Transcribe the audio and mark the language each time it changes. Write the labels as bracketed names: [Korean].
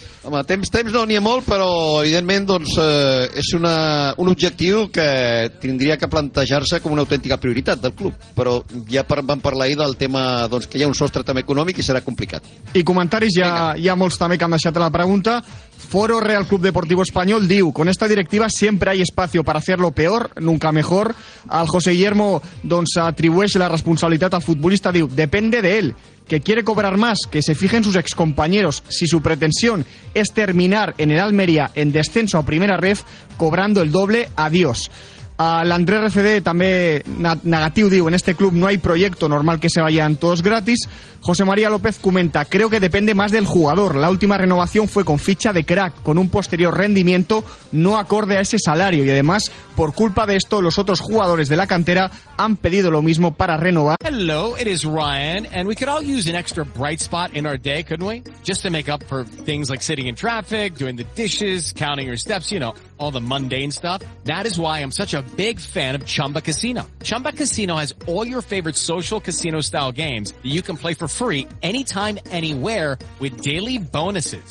[Catalan] Home, temps no n'hi ha molt, però evidentment doncs, és un objectiu que tindria que plantejar-se com una autèntica prioritat del club. Però ja vam parlar ahir del tema doncs, que hi ha un sostre també econòmic i serà complicat. I comentaris, ja, hi ha molts també que han deixat la pregunta. [Spanish] Foro Real Club Deportivo Español diu: con esta directiva siempre hay espacio para hacerlo peor, nunca mejor. [Catalan] Al José Guillermo doncs, atribueix la responsabilitat al futbolista, diu: [Spanish] depende de él. Que quiere cobrar más, que se fijen sus excompañeros. Si su pretensión es terminar en el Almería en descenso a primera ref, cobrando el doble, adiós. L'André RCD [Catalan] també negatiu diu: [Spanish] en este club no hay proyecto, normal que se vayan todos gratis. José María López comenta: creo que depende más del jugador. La última renovación fue con ficha de crack, con un posterior rendimiento no acorde a ese salario. Y además, por culpa de esto, los otros jugadores de la cantera han pedido lo mismo para renovar. [English] Hello, it is Ryan, and we could all use an extra bright spot in our day, couldn't we? Just to make up for things like sitting in traffic, doing the dishes, counting your steps, you know, all the mundane stuff. That is why I'm such a big fan of Chumba Casino. Chumba Casino has all your favorite social casino-style games that you can play for free anytime, anywhere with daily bonuses.